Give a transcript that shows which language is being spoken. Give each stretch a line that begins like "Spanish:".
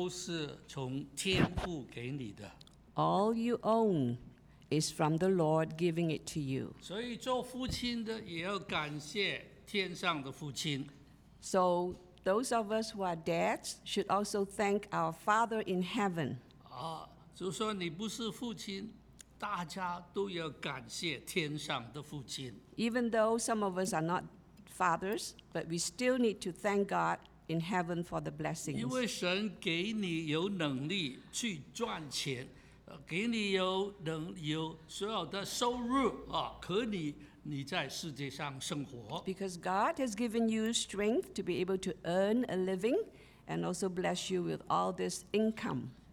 Chinese: 你一切所有的都是从天父给你的。
English: All you own is from the Lord giving it to you.
Chinese: 所以做父亲的也要感谢天上的父亲。
English: So those of us who are dads should also thank our Father in heaven.
Chinese: 就说你不是父亲,
English: even though some of us are not fathers, but we still need to thank God in heaven for the blessings.
Chinese: 因为神给你有能力去赚钱, 给你有所有的收入,可你在世界上生活。
English: Because God has given you strength to be able to earn a living and also bless you with all this income.